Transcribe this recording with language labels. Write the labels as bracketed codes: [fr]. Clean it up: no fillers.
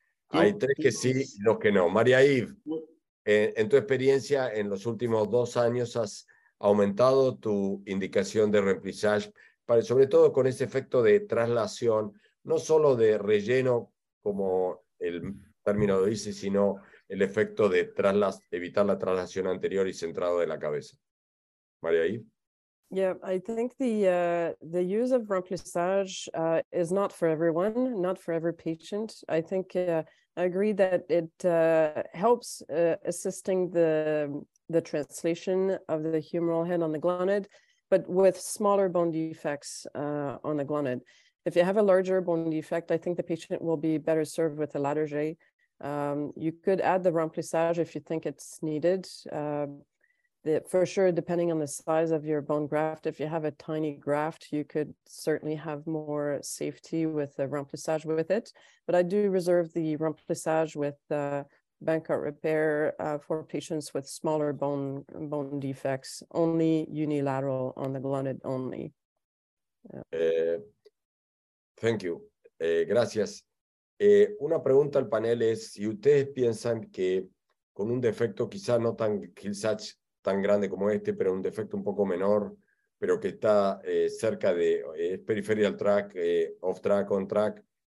[es] Hay tres que sí, los que no. María Yves, en tu experiencia en los últimos 2 años has aumentado tu indicación de reemplizaje, sobre todo con ese efecto de traslación, no solo de relleno como el término de ICE, sino el efecto de evitar la traslación anterior y centrado de la cabeza. María I. [en] Yeah, I think the use of remplissage is not for everyone, not for every patient. I think I agree that it helps assisting the translation of the humeral head on the glenoid, but with smaller bone defects on the glenoid. If you have a larger bone defect, I think the patient will be better served with a latter J. You could add the remplissage if you think it's needed. For sure, depending on the size of your bone graft, if you have a tiny graft, you could certainly have more safety with the remplissage with it. But I do reserve the remplissage with Bankart repair for patients with smaller bone defects, only unilateral on the glenoid only. Yeah. Thank you. Gracias. [es] Una pregunta al panel es, si ustedes piensan que con un defecto quizá no tan Hill-Sachs tan grande como este, pero un defecto un poco menor, pero que está cerca de peripheral track, off track, on track,